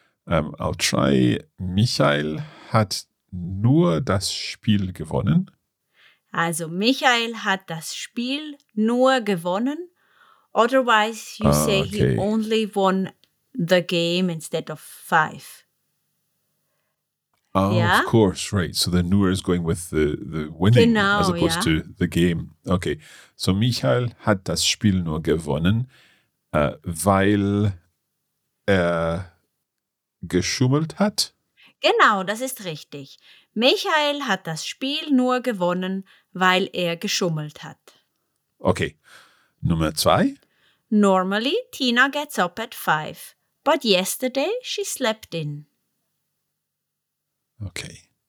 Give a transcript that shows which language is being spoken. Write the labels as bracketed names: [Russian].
[English] I'll try, [German] Michael hat nur das Spiel gewonnen. Also, Michael hat das Spiel nur gewonnen. [English] Otherwise, you say okay. He only won the game instead of five. Oh, yeah? Of course, right. So the nur is going with the winning genau, as opposed yeah. to the game. [German] Okay, so Michael hat das Spiel nur gewonnen. Weil er geschummelt hat? Genau, das ist richtig. Michael hat das Spiel nur gewonnen, weil er geschummelt hat. Okay, Nummer zwei. [English] Normally Tina gets up at 5, but yesterday she slept in. Okay.